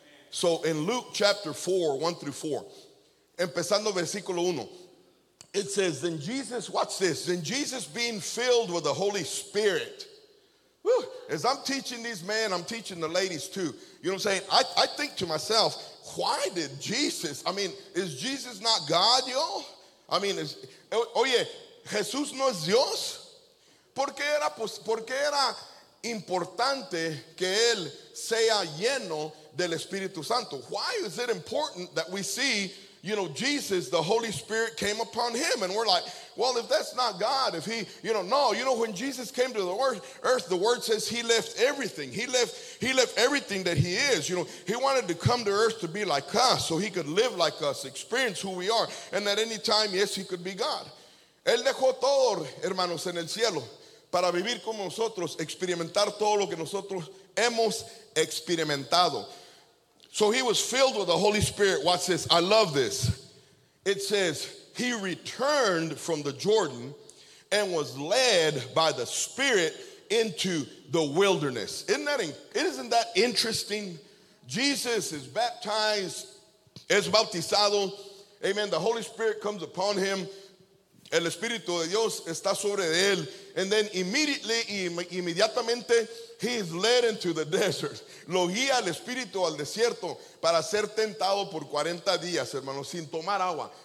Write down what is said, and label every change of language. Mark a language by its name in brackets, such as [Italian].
[English] So in Luke chapter 4, 1 through 4, [Spanish] empezando versículo 1, [English] it says, then Jesus, watch this, then Jesus being filled with the Holy Spirit. Whew, as I'm teaching these men, I'm teaching the ladies too. You know what I'm saying? I think to myself, why did Jesus, I mean, is Jesus not God, yo? I mean, [Spanish] Jesús no es Dios? ¿Por qué era importante que Él sea lleno del Espíritu Santo? [English] Why is it important that we see, you know, Jesus, the Holy Spirit came upon him? And we're like, well, if that's not God, if he, you know, no. You know, when Jesus came to the earth, the word says he left everything. He left everything that he is. You know, he wanted to come to earth to be like us so he could live like us, experience who we are. And at any time, yes, he could be God. [Spanish] Él dejó todo, hermanos, en el cielo para vivir como nosotros, experimentar todo lo que nosotros hemos experimentado. [English] So he was filled with the Holy Spirit. Watch this. I love this. It says, he returned from the Jordan and was led by the Spirit into the wilderness. Isn't that interesting? Jesus is baptized. [Spanish] Es bautizado. [English] Amen. The Holy Spirit comes upon him. [Spanish] El Espíritu de Dios está sobre él. [English] And then immediately, inmediatamente, he is led into the desert. [Spanish] Lo guía el Espíritu al desierto para ser tentado por 40 días, hermano, sin tomar agua.